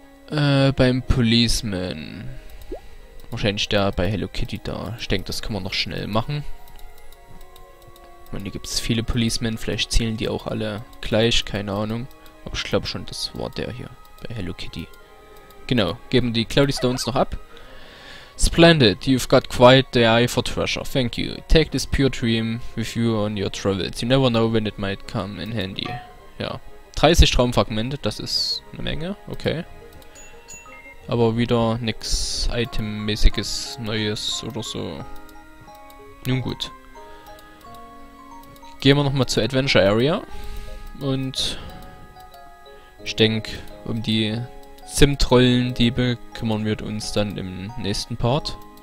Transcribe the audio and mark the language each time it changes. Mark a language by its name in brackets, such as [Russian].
[German] Beim Policeman. Wahrscheinlich der bei Hello Kitty da. Ich denke, das kann man noch schnell machen. Ich meine, hier gibt es viele Policemen, vielleicht zählen die auch alle gleich, keine Ahnung. Aber ich glaube schon, das war der hier, bei Hello Kitty. Genau, geben die Cloudy Stones noch ab. [English] Splendid, you've got quite the eye for treasure, thank you. Take this pure dream with you on your travels. You never know when it might come in handy. [German] Ja, 30 Traumfragmente, das ist eine Menge, okay. Aber wieder nichts Item-mäßiges Neues oder so. Nun gut. Gehen wir nochmal zur Adventure Area und ich denke, um die Zimtrollendiebe kümmern wir uns dann im nächsten Part.